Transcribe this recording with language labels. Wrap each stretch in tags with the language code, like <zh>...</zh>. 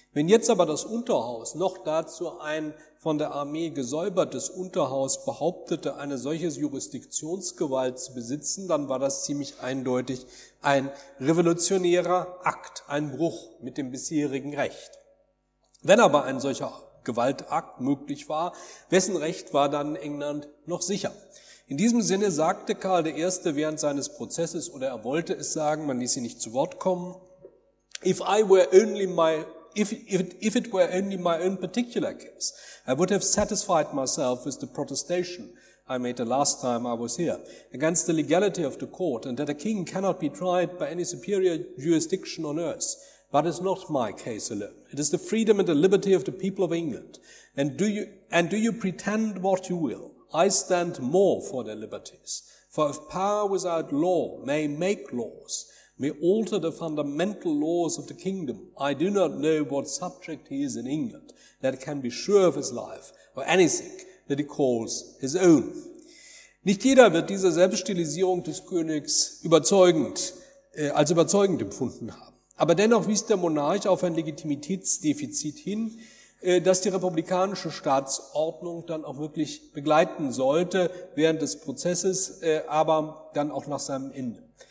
<de>Wenn jetzt aber das Unterhaus, noch dazu ein von der Armee gesäubertes Unterhaus, behauptete, eine solche Jurisdiktionsgewalt zu besitzen, dann war das ziemlich eindeutig ein revolutionärer Akt, ein Bruch mit dem bisherigen Recht. Wenn aber ein solcher Gewaltakt möglich war, wessen Recht war dann England noch sicher? In diesem Sinne sagte Karl I. während seines Prozesses, oder er wollte es sagen, man ließ ihn nicht zu Wort kommen,</de> <en>if it were only my own particular case, I would have satisfied myself with the protestation I made the last time I was here, against the legality of the court, and that a king cannot be tried by any superior jurisdiction on earth. But it's not my case alone. It is the freedom and the liberty of the people of England. And do you pretend what you will? I stand more for their liberties. For if power without law may make laws, may alter the fundamental laws of the kingdom, I do not know what subject he is in England that can be sure of his life or anything that he calls his own.</en> <de>Nicht jeder wird diese Selbststilisierung des Königs als überzeugend empfunden haben. Aber dennoch wies der Monarch auf ein Legitimitätsdefizit hin, das die republikanische Staatsordnung dann auch wirklich begleiten sollte während des Prozesses, aber dann auch nach seinem Ende.</de>